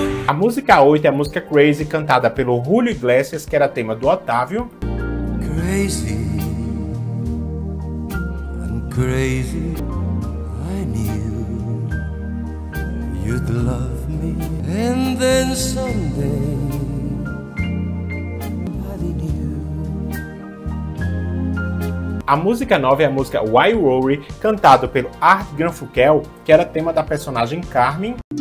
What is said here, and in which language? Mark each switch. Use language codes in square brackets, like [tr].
[pt] A música 8 é a música Crazy, cantada pelo Julio Iglesias, que era tema do Otávio. [en] Crazy, I'm crazy, I knew you'd love me, and then someday, nobody knew. [pt] A música 9 é a música Why Rory, cantada pelo Art Garfunkel, que era tema da personagem Carmen.